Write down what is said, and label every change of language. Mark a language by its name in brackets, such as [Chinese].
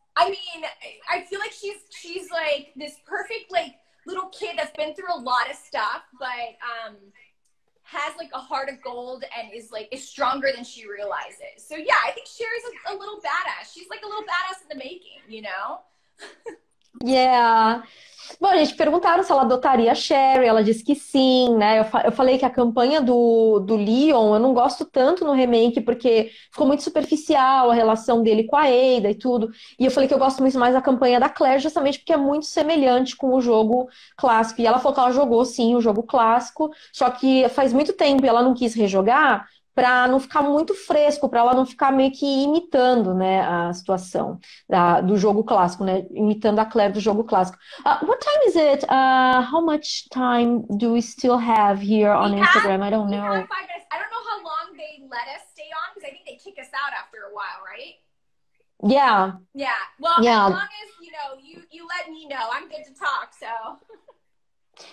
[English] I mean, I feel like she's like this perfect, like, little kid that's been through a lot of stuff, but has like a heart of gold and is stronger than she realizes. So yeah, I think Sherry's a little badass. She's like a little badass in the making, you know? Yeah. [Portuguese] Bom, gente, perguntaram se ela adotaria a Sherry, ela disse que sim, né? Eu falei que a campanha do Leon, eu não gosto tanto no remake, porque ficou muito superficial a relação dele com a Ada e tudo. E eu falei que eu gosto muito mais da campanha da Claire, justamente porque é muito semelhante com o jogo clássico. E ela falou que ela jogou, sim, o jogo clássico, só que faz muito tempo e ela não quis rejogar pra não ficar muito fresco, pra ela não ficar meio que imitando, né, a situação do jogo clássico, né, imitando a Claire do jogo clássico. [English] What time is it? How much time do we still have here on Instagram? I don't know. We have 5 minutes. I don't know how long they let us stay on, because I think they kick us out after a while, right? Yeah. Yeah. Well, yeah. As long as, you know, you let me know, I'm good to talk, so.